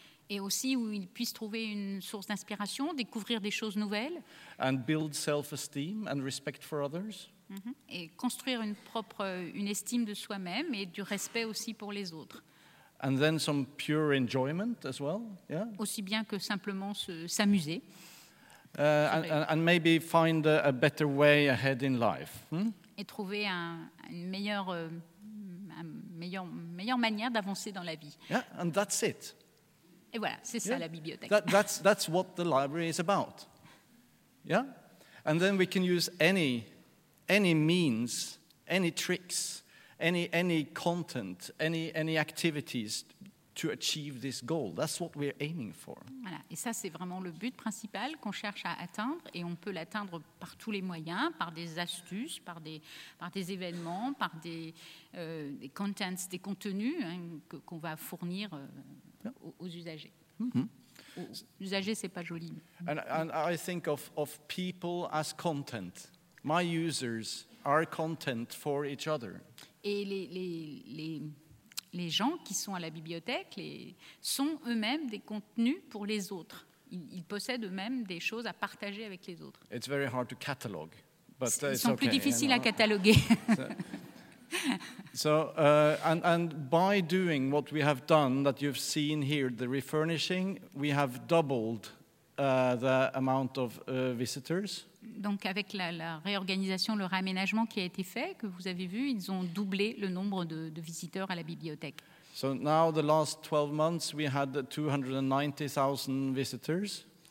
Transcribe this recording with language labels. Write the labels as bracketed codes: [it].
[fr] Et aussi où ils puissent trouver une source d'inspiration, découvrir des choses nouvelles. [en] And build self-esteem and respect for others. Mm-hmm. [fr] Et construire une estime de soi-même et du respect aussi pour les autres. [en] And then some pure enjoyment as well, yeah. [fr] Aussi bien que simplement s'amuser. [en] And maybe find a better way ahead in life. Hmm? [fr] Et trouver une meilleure manière d'avancer dans la vie. [en] Yeah, and that's it. [fr] Et voilà, c'est ça la bibliothèque. [en] That's what the library is about. Yeah, and then we can use any means, any tricks. Any content, any activities to achieve this goal. That's what we're aiming for. [fr] Voilà. Et ça, c'est vraiment le but principal qu'on cherche à atteindre, et on peut l'atteindre par tous les moyens, par des astuces, par des événements, par des contents, des contenus qu'on va fournir aux usagers. Mm-hmm. Aux usagers, c'est pas joli. [en] And I think of people as content. My users are content for each other. [fr] Et les gens qui sont à la bibliothèque sont eux-mêmes des contenus pour les autres. Ils possèdent eux-mêmes des choses à partager avec les autres. [en] It's very hard to catalogue, but [fr] ils sont [en] okay, [fr] plus difficiles, [en] you know, [fr] à cataloguer. [en] So, and by doing what we have done, that you've seen here, the refurnishing, we have doubled the amount of visitors. [fr] Donc avec la réorganisation, le réaménagement qui a été fait, que vous avez vu, ils ont doublé le nombre de visiteurs à la bibliothèque. [en] So now the last 12 months we had 290,000 visitors.